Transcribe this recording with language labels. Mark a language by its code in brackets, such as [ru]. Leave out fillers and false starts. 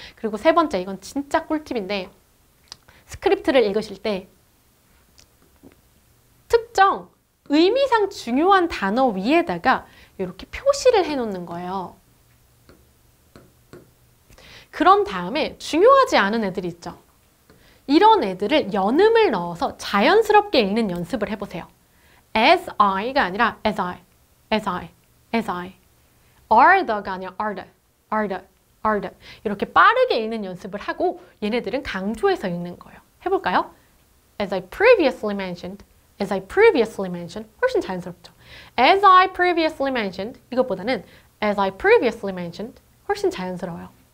[ko] 그리고 세 번째, 이건 진짜 꿀팁인데 스크립트를 읽으실 때 특정 의미상 중요한 단어 위에다가 이렇게 표시를 해놓는 거예요. 그런 다음에 중요하지 않은 애들이 있죠. 이런 애들을 연음을 넣어서 자연스럽게 읽는 연습을 해보세요. [en] As I가 [ko] 아니라 [en] as I, as I, as I. Are the가 [ko] 아니라 [en] are the, are the, are the. [ko] 이렇게 빠르게 읽는 연습을 하고 얘네들은 강조해서 읽는 거예요. 해볼까요? [en] As I previously mentioned, as I previously mentioned. [ko] 훨씬 자연스럽죠. [en] As I previously mentioned, [ko] 이것보다는 [en] as I previously mentioned. [ko] 훨씬 자연스러워요.